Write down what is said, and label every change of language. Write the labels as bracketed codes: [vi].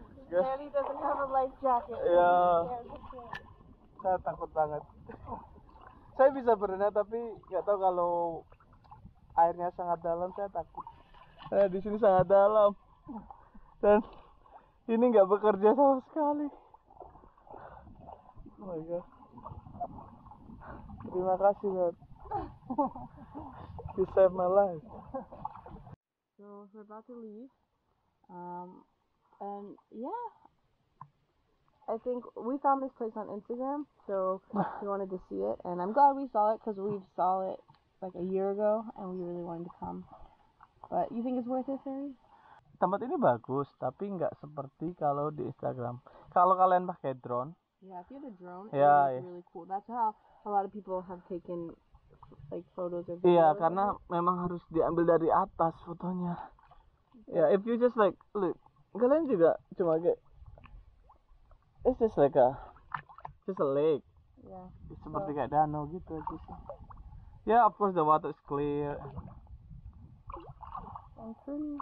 [en] Daddy doesn't have a life jacket. [id] Yeah. Saya takut banget. Saya bisa berenang tapi nggak tahu kalau airnya sangat dalam, saya takut. Eh, di sini sangat dalam. Dan ini nggak bekerja sama sekali. [en] Oh my god. [id] Terima kasih, Dad. [en] You saved my life. So we're about to leave. And yeah, I think we found this place on Instagram, so we wanted to see it, and I'm glad we saw it because we saw it like a year ago and we really wanted to come. But you think it's worth it, Ferry? [id] Tempat ini bagus, tapi nggak seperti kalau di Instagram. Kalau kalian pakai drone? [en] Yeah, if you have a drone, yeah, it's really cool. That's how a lot of people have taken. Like photos of the, yeah, photos, [id] karena [en] right? [id] Memang harus diambil dari atas fotonya. [en] Yeah, if you just like look, [id] kalian juga cuma kayak, [en] it's just like a, just a lake. Yeah. It's [id] seperti kayak danau gitu aja. [en] Yeah, of course the water is clear. Okay.